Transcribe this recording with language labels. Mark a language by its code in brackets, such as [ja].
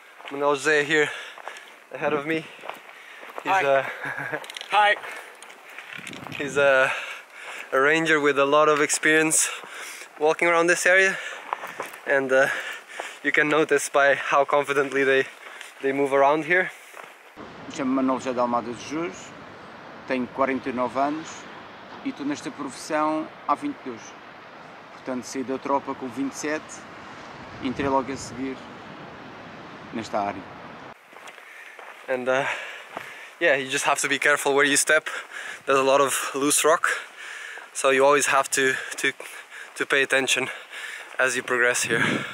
[en] Manuel Jose here, ahead of me. Hi. He's a ranger with a lot of experience walking around this area, and you can notice by how confidently they move around here. [pt] Chamo-me Manuel José de Almada de Jus, tenho 49 anos e estou nesta profissão há 22. Portanto, saí da tropa com 27 e entrei logo a seguir nesta área. [en] And you just have to be careful where you step. There's a lot of loose rock, so you always have to pay attention as you progress here.